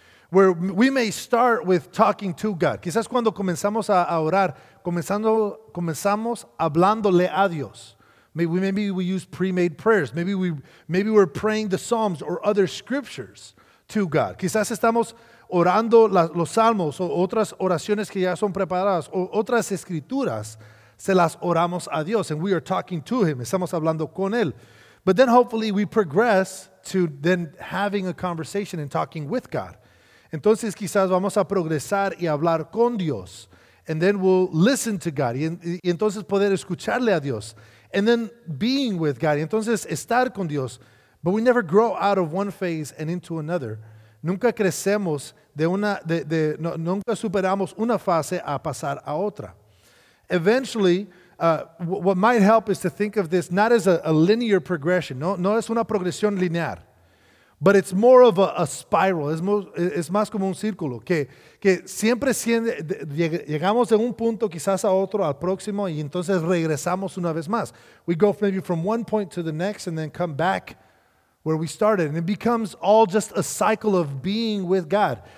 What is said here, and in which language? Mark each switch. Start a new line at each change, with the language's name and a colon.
English: Where we may start with talking to God.
Spanish: Quizás cuando comenzamos a orar, comenzamos hablándole a Dios.
English: Maybe we use pre-made prayers. Maybe we're praying the Psalms or other scriptures to God.
Spanish: Quizás estamos orando los Salmos o otras oraciones que ya son preparadas o otras escrituras, se las oramos a Dios.
English: And we are talking to Him.
Spanish: Estamos hablando con Él.
English: But then hopefully we progress to then having a conversation and talking with God.
Spanish: Entonces quizás vamos a progresar y hablar con Dios.
English: And then we'll listen to God.
Spanish: Y entonces poder escucharle a Dios.
English: And then being with God.
Spanish: Y entonces estar con Dios.
English: But we never grow out of one phase and into another.
Spanish: Nunca crecemos nunca superamos una fase a pasar a otra.
English: Eventually, what might help is to think of this not as a linear progression.
Spanish: No es una progresión lineal.
English: But it's more of a spiral.
Spanish: Es más como un círculo. Que siempre llegamos de un punto quizás a otro, al próximo, y entonces regresamos una vez más.
English: We go maybe from one point to the next and then come back where we started. And it becomes all just a cycle of being with God.